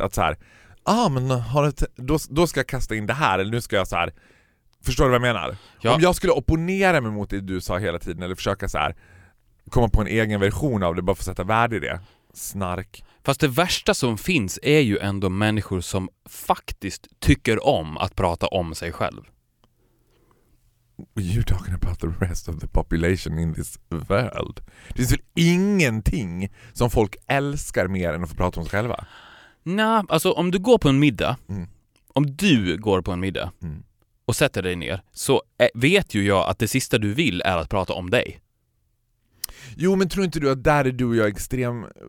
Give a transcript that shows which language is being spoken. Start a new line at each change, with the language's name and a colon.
Swedish: Att så här, ah, men har det, då ska jag kasta in det här, eller nu ska jag så här, förstår du vad jag menar? Ja. Om jag skulle opponera mig mot det du sa hela tiden, eller försöka så här komma på en egen version av det, bara för att sätta värde i det. Snark. Fast det värsta som finns är ju ändå människor som faktiskt tycker om att prata om sig själv.
English: You're talking about the rest of the population in this world.
Swedish: Det finns väl ingenting som folk älskar mer än att få prata om sig själva? Nej, alltså om du går på en middag, om du går på en middag och sätter dig ner, så vet ju jag att det sista du vill är att prata om dig. Jo, men tror inte du att där är du och jag extrem...